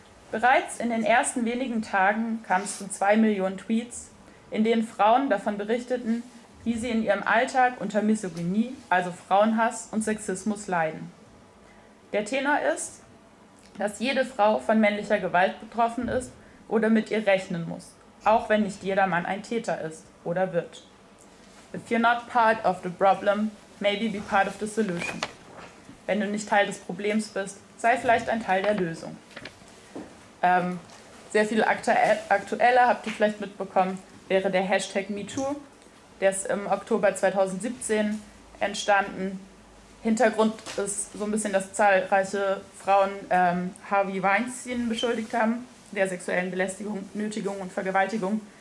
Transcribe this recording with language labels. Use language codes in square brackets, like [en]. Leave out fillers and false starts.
[de] Bereits in den ersten wenigen Tagen kam es zu 2 Millionen Tweets, in denen Frauen davon berichteten, wie sie in ihrem Alltag unter Misogynie, also Frauenhass und Sexismus leiden. Der Tenor ist, dass jede Frau von männlicher Gewalt betroffen ist oder mit ihr rechnen muss, auch wenn nicht jeder Mann ein Täter ist oder wird. [en] If you're not part of the problem, maybe be part of the solution. [de] wenn du nicht Teil des Problems bist, sei vielleicht ein Teil der Lösung. Sehr viel aktueller, habt ihr vielleicht mitbekommen, wäre der Hashtag MeToo. Der ist im Oktober 2017 entstanden. Hintergrund ist so ein bisschen, dass zahlreiche Frauen Harvey Weinstein beschuldigt haben, der sexuellen Belästigung, Nötigung und Vergewaltigung.